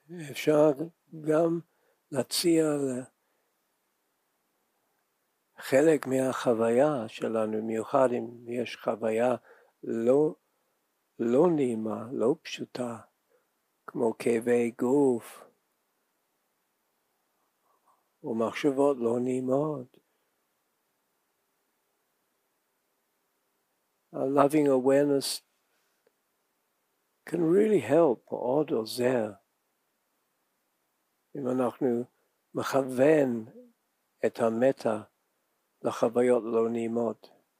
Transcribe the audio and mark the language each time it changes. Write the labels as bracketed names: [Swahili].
[Hebrew] אפשר גם להציע חלק מהחוויה שלנו, מיוחד אם יש חוויה לא נעימה, לא פשוטה, כמו כאבי גוף או מחשבות לא נעימות. [English] A loving awareness can really help [Hebrew] עוד עוזר. אם אנחנו מכוון את המטה לחוויות לא נעימות.